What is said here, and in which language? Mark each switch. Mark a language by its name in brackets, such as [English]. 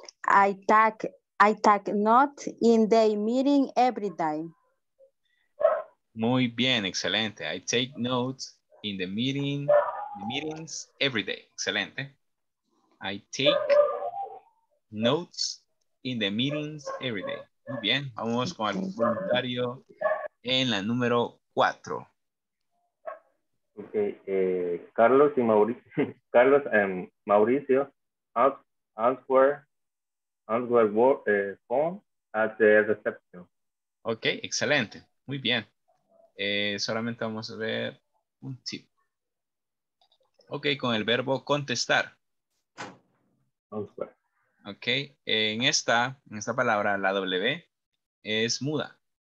[English] I talk not in the meeting every day. [Spanish] Muy bien, excelente. [English] I take notes in the meeting, meetings every day. [Spanish] Excelente. [English] I take notes in the meetings every day. [Spanish] Muy bien, vamos con el voluntario en la número cuatro. [English] Okay, Carlos and Mauricio answer phone at the reception. [Spanish] Okay, excelente. Muy bien. Solamente vamos a ver un tip. Ok, con el verbo contestar. Ok, en esta palabra, la W es muda.